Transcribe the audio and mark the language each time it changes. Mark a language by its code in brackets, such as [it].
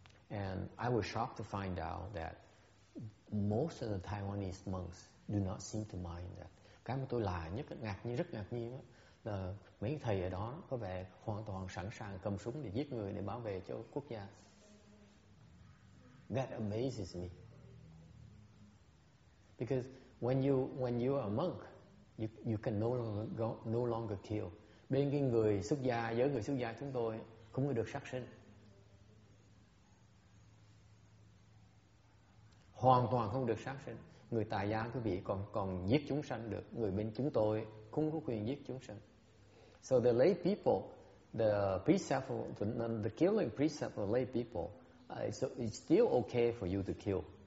[en] And I was shocked to find out that most of the Taiwanese monks do not seem to mind that. [vi] Cái mà tôi lạ nhất, ngạc nhiên đó, là mấy thầy ở đó có vẻ hoàn toàn sẵn sàng cầm súng để giết người để bảo vệ cho quốc gia. [en] That amazes me. Because when you are a monk, you can no longer kill. [vi] Bên cái người xuất gia, giới người xuất gia chúng tôi cũng được sát sinh. Hoàn toàn không được sát sinh. Người tài gia quý vị còn giết chúng sanh được. Người bên chúng tôi không có quyền giết chúng sanh. [en] So the lay people, the precept, the killing precept of lay people, so it's still okay for you to kill.